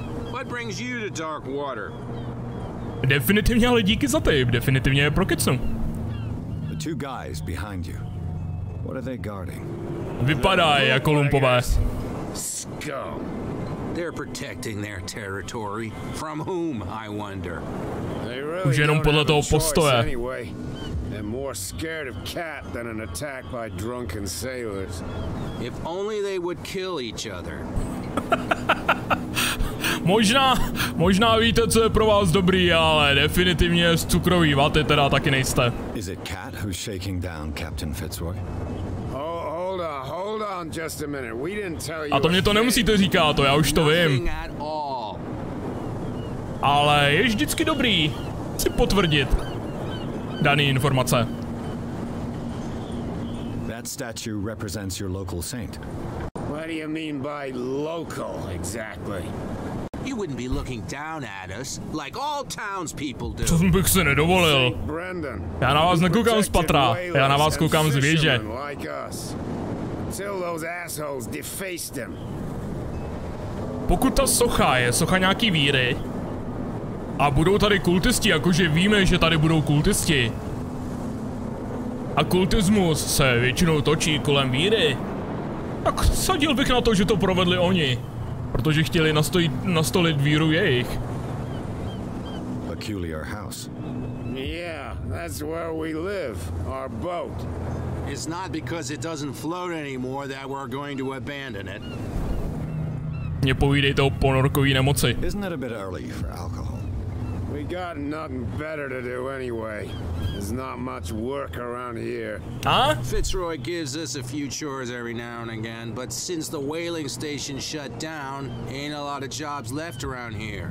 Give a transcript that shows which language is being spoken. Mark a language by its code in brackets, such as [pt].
[en] What brings you to Darkwater? [cs] Definitivně, ale díky za tip, definitivně je prokecnu. [en] The two guys behind you. What are they guarding? [cs] Vypadají jako lumpové. [en] Scum. They're protecting their territory. From whom, I wonder? [cs] Už jenom podle toho postoje. [en] They're more scared of Cat than an attack by drunken sailors. If only they would kill each other. [cs] Možná víte, co je pro vás dobrý, ale definitivně z cukrový vaty teda taky nejste. [en] Is it Cat who's shaking down Captain Fitzroy? Hold on just a minute. We didn't tell you. [cs] A to mě to nemusíte říkat, to já už to vím. Ale je vždycky dobrý si potvrdit daný informace. [en] That statue represents your local saint. What do you mean by local exactly? You wouldn't be looking down at us like all townspeople do. [cs] To jsem bych si nedovolil. Já na vás nekoukám z patra, já na vás koukám z věže. [en] Until those assholes defaced him. [cs] Pokud ta socha je socha nějaký víry a budou tady kultisti, jakože víme, že tady budou kultisti a kultismus se většinou točí kolem víry, tak sadil bych na to, že to provedli oni, protože chtěli nastolit víru jejich. [en] Peculiar house. Yeah, that's where we live, our boat. It's not because it doesn't float anymore that we're going to abandon it. [cs] Mě povídejte o ponorkový nemoci. [en] Isn't it a bit early for alcohol? We got nothing better to do anyway. There's not much work around here. Huh? Fitzroy gives us a few chores every now and again, but since the whaling station shut down, ain't a lot of jobs left around here.